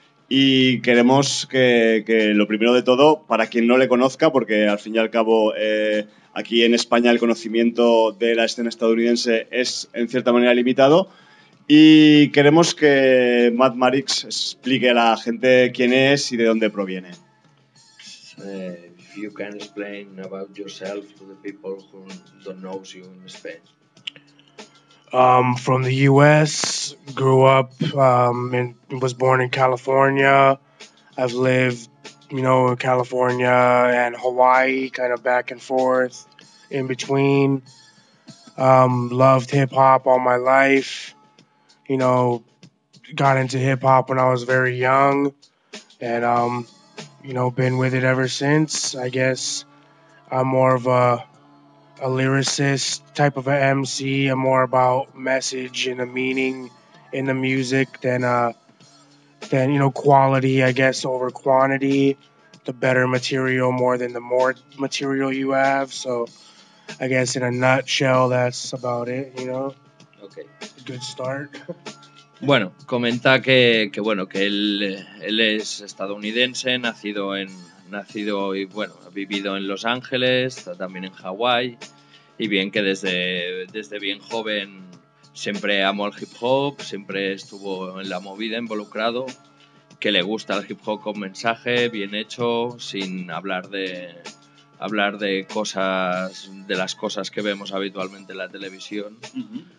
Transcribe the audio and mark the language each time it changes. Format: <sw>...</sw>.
<es>Y queremos que lo primero de todo, para quien no le conozca, porque al fin y al cabo aquí en España el conocimiento de la escena estadounidense es en cierta manera limitado, Y queremos que Matt Marix explique a la gente quién es y de dónde proviene.</es> <en>If you can explain about yourself to the people who don't know you in Spain. From the US, grew up and was born in California. I've lived, you know, in California and Hawaii, kind of back and forth in between. Loved hip hop all my life. You know, got into hip hop when I was very young, and you know, been with it ever since. I guess I'm more of a lyricist type of an MC. I'm more about message and the meaning in the music than you know, quality, I guess, over quantity. The better material more than the more material you have. So I guess in a nutshell, that's about it, you know. Okay. Good start.</en> <es>Bueno, comenta que bueno, que él es estadounidense, nacido y ha vivido en Los Ángeles, también en Hawái, y bien que desde bien joven siempre amó el hip hop, siempre estuvo en la movida, involucrado, que le gusta el hip hop con mensaje, bien hecho, sin hablar de cosas, de las cosas que vemos habitualmente en la televisión. Uh-huh.</es>